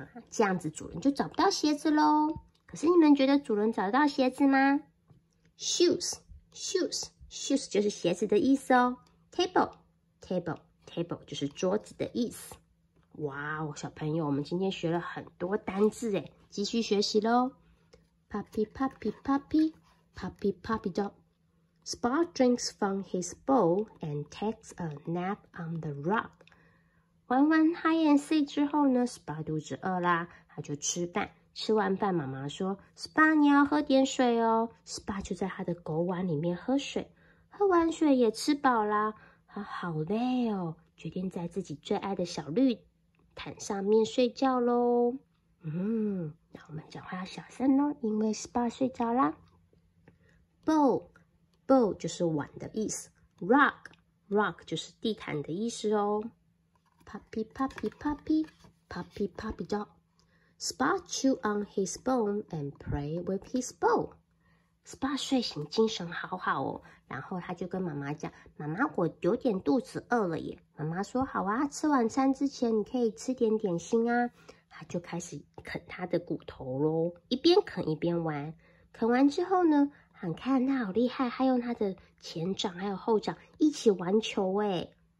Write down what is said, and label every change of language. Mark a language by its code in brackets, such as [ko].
[zh] 这样子主人就找不到鞋子咯。可是你们觉得主人找到鞋子吗？ Shoes 就是鞋子的意思哦。 Table 就是桌子的意思。哇哦，小朋友，我们今天学了很多单字耶，继续学习咯。 [en] Puppy puppy puppy Puppy puppy dog Spot drinks from his bowl and takes a nap on the rock. [zh] 玩完 [en] hide and seek [zh] 之后呢， Spot 肚子饿啦，他就吃饭。吃完饭妈妈说 Spot 你要喝点水哦。 Spot 就在他的狗碗里面喝水，喝完水也吃饱啦，他好累哦，决定在自己最爱的小绿毯上面睡觉咯。那我们讲话要小声咯，因为 Spot 睡着啦。 Bowl 就是碗的意思。Rock 就是地毯的意思哦。 [en] Puppy, puppy, puppy, puppy, puppy dog. Spot chew on his bone and play with his bow. [zh] Spot 睡醒精神好好哦，然后他就跟妈妈讲：“妈妈，我有点肚子饿了耶。” 妈妈说：“好啊，吃晚餐之前你可以吃点点心啊。” 他就开始啃他的骨头咯，一边啃一边玩。啃完之后呢，很看他好厉害，他用他的前掌还有后掌一起玩球耶。